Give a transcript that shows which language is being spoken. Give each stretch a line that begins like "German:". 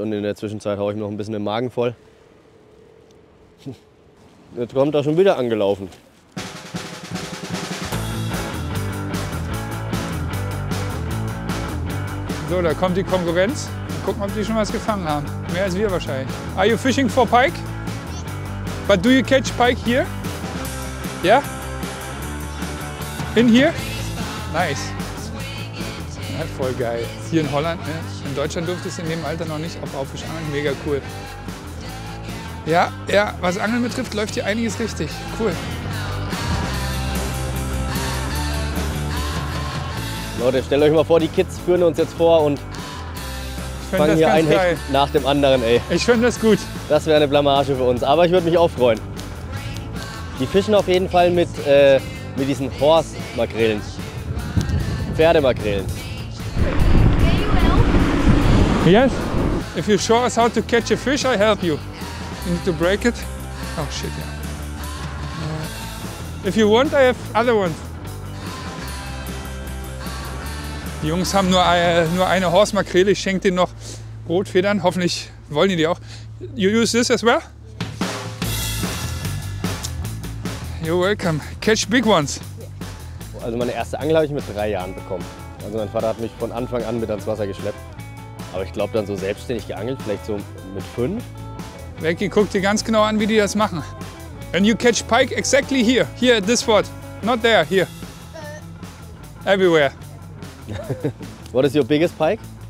German: Und in der Zwischenzeit haue ich mir noch ein bisschen den Magen voll. Jetzt kommt er schon wieder angelaufen. So, da kommt die Konkurrenz. Mal gucken, ob die schon was gefangen haben. Mehr als wir wahrscheinlich.
English: Are you fishing for pike? But do you catch pike here?
German: Ja?
English: Yeah? In here? Nice.
German: Ja, voll geil. Hier in Holland, ne? In Deutschland durfte es in dem Alter noch nicht auf Fisch angeln. Mega cool. Ja, ja, was Angeln betrifft, läuft hier einiges richtig. Cool. Leute, stellt euch mal vor, die Kids führen uns jetzt vor und fangen hier ein Hecht nach dem anderen, ey. Ich finde das gut. Das wäre eine Blamage für uns, aber ich würde mich auch freuen. Die fischen auf jeden Fall mit diesen Horse-Makrelen. Pferdemakrelen.
English: Yes. If you show us how to catch a fish, I help you. You need to break it. Oh shit, yeah. If you want, I have other ones.
German: Die Jungs haben nur eine Horse-Makrele. Ich schenke denen noch Rotfedern. Hoffentlich wollen die auch.
English: You use this as well? You're welcome. Catch big ones.
German: Also meine erste Angel habe ich mit 3 Jahren bekommen. Also mein Vater hat mich von Anfang an mit ans Wasser geschleppt. Aber ich glaube, dann so selbstständig geangelt, vielleicht so mit 5. Wecki, guck dir ganz genau an, wie die das machen.
English: And you catch pike exactly here, here at this spot. Not there, here. Everywhere. What is your biggest pike?